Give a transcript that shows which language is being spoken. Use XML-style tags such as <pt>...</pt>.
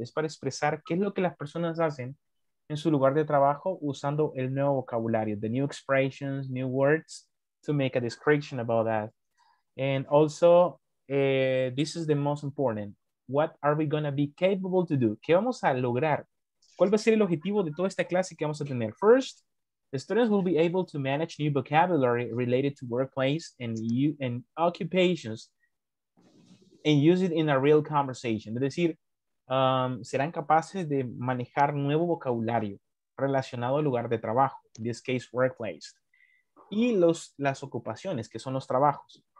<es>Es para expresar qué es lo que las personas hacen en su lugar de trabajo usando el nuevo vocabulario,</es> <en>the new expressions, new words, to make a description about that. And also, this is the most important. What are we going to be capable to do?</en> <es>¿Qué vamos a lograr? ¿Cuál va a ser el objetivo de toda esta clase que vamos a tener?</es> <en>First, the students will be able to manage new vocabulary related to workplace and occupations and use it in a real conversation.</en> <es>Es decir, serán capaces de manejar nuevo vocabulario relacionado al lugar de trabajo,</es> <en>in this case, workplace,</en> <es>y las ocupaciones, que son los trabajos.</es>